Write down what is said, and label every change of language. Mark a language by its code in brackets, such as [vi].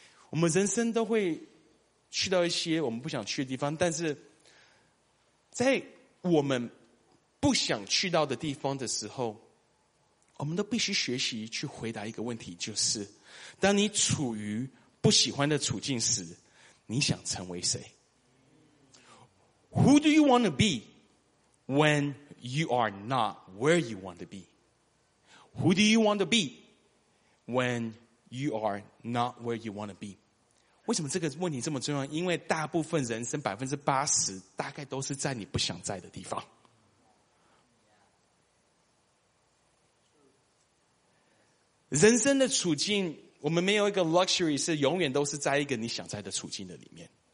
[zh] 我们人生都会去到一些我们不想去的地方，但是在我们不想去到的地方的时候，我们都必须学习去回答一个问题，就是当你处于不喜欢的处境时，你想成为谁？ [en] Who do you want to be when you are not where you want to be? Who do you want to be when you are not where you want to be? [zh] 为什么这个问题这么重要？因为大部分人生 80% 大概都是在你不想在的地方。人生的处境，我们没有一个 luxury 是永远都是在一个你想在的处境的里面。